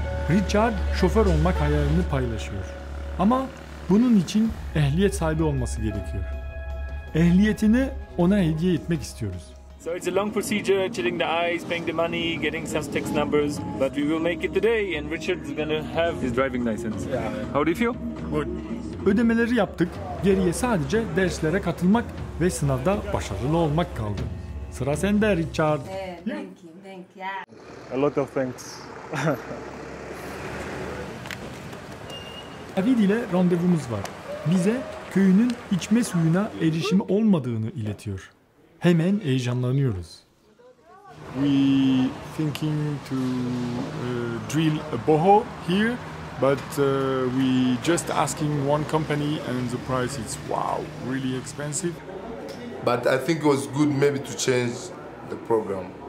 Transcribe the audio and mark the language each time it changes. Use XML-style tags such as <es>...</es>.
<tr>Richard şoför olmak hayalini paylaşıyor. Ama bunun için ehliyet sahibi olması gerekiyor. Ehliyetini ona hediye etmek istiyoruz.</tr> <en>So it's a long procedure, chilling the eyes, paying the money, getting some tax numbers, but we will make it today and Richard is going to have his driving license. Yeah. How do you feel? Good.</en> <tr>Ödemeleri yaptık. Geriye sadece derslere katılmak ve sınavda başarılı olmak kaldı. Sıra sende Richard.</tr> <en>Thank you. A lot of thanks.</en> <tr>Avid ile randevumuz var. Bize köyünün içme suyuna erişimi olmadığını iletiyor. Hemen heyecanlanıyoruz.</tr> <en>we thinking to drill a borehole here, but we just asking one company and the price is wow, really expensive. But I think it was good maybe to change the program.</en>